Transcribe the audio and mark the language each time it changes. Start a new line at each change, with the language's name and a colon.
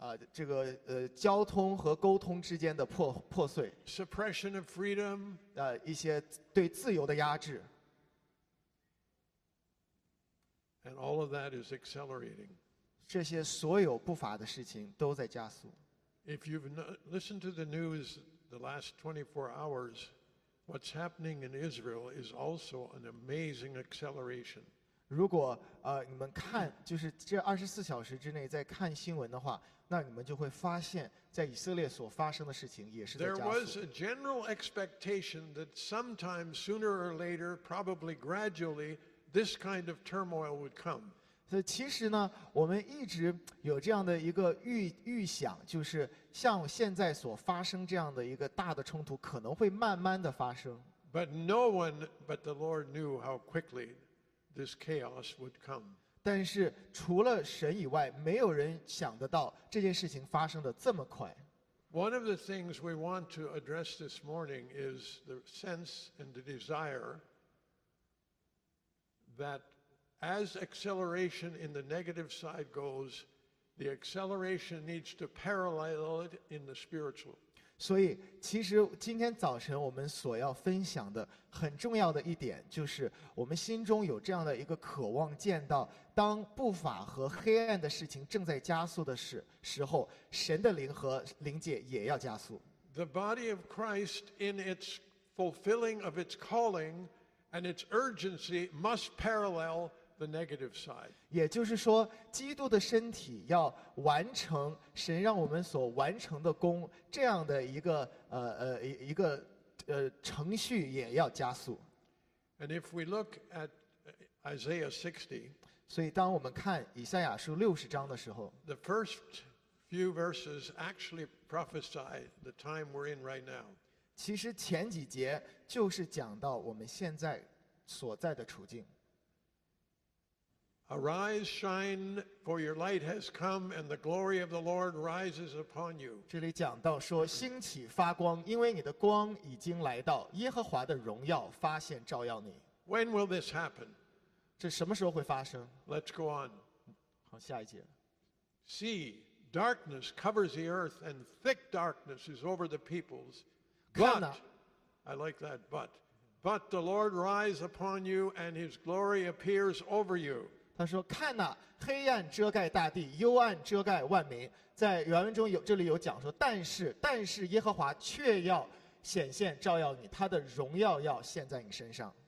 Chinese: 这个交通和沟通之间的破碎
English: ，suppression of freedom，
Chinese: 一些对自由的压制。
English: And all of that is accelerating.
Chinese: 这些所有不法的事情都在加速。
English: If you've listened to the news the last 24 hours, what's happening in Israel is also an amazing acceleration.
Chinese: 如果你们看，就是这24小时之内在看新闻的话，那你们就会发现，在以色列所发生的事情也是在加速。
English: There was a general expectation that sometime sooner or later, probably gradually,This kind of turmoil would come.
Chinese: 所以其实呢，我们一直有这样的一个预想，就是像现在所发生这样的一个大的冲突，可能会慢慢的发生。
English: But no one but the Lord knew how quickly this chaos would come.
Chinese: 但是除了神以外，没有人想得到这件事情发生的这么快。
English: One of the things we want to address this morning is the sense and the desire. that as acceleration in the negative side goes, the acceleration needs to parallel it in the spiritual.
Chinese: 所以其实今天早晨我们所要分享的很重要的一点，就是我们心中有这样的一个渴望，见到当不法和黑暗的事情正在加速的时候，神的灵和灵界也要加速。
English: The body of Christ in its fulfilling of its calling and its urgency must parallel the negative side.
Chinese: 也就是说，基督的身体要完成神让我们所完成的工，这样的一个程序也要加速。
English: And if we look at Isaiah 60,
Chinese: 所以当我们看以赛亚书六十章的时候，
English: the first few verses actually prophesy the time we're in right now.
Chinese: 其实前几节就是讲到我们现在所在的处境。
English: Arise, shine, for your light has come, and the glory of the Lord rises upon you.
Chinese: 这里讲到说，兴起发光，因为你的光已经来到，耶和华的荣耀发现照耀你。
English: When will this happen?
Chinese: 这什么时候会发生？
English: Let's go on.
Chinese: 好，下一节。
English: See, darkness covers the earth, and thick darkness is over the peoples. But, I like that, but the Lord rises upon you, and his glory appears over you.
Chinese: 他说看哪、啊、黑暗遮盖大地，幽暗遮盖万民。在原文中有，这里有讲说，但是耶和华却要显现照耀你，他的荣耀要现在你身上。